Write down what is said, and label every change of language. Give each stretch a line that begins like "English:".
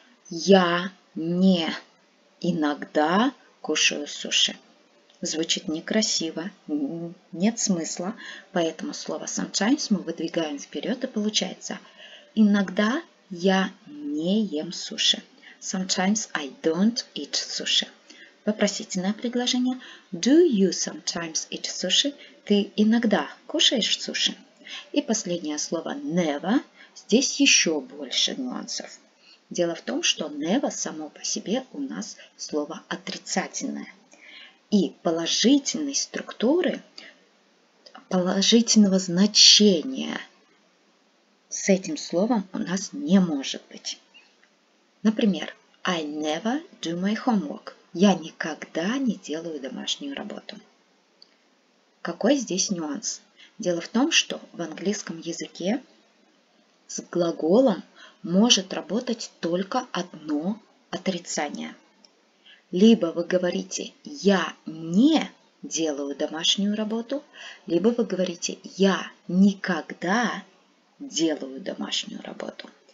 Russian: Я не иногда кушаю суши. Звучит некрасиво, нет смысла, поэтому слово sometimes мы выдвигаем вперед и получается иногда я не ем суши.
English: Sometimes I don't eat sushi.
Russian: Вопросительное предложение.
English: Do you sometimes eat sushi?
Russian: Ты иногда кушаешь суши? И последнее слово never. Здесь еще больше нюансов. Дело в том, что never само по себе у нас слово отрицательное. И положительной структуры, положительного значения с этим словом у нас не может быть. Например,
English: I never do my homework.
Russian: Я никогда не делаю домашнюю работу. Какой здесь нюанс? Дело в том, что в английском языке с глаголом может работать только одно отрицание. Либо вы говорите «я не делаю домашнюю работу», либо вы говорите «я никогда делаю домашнюю работу».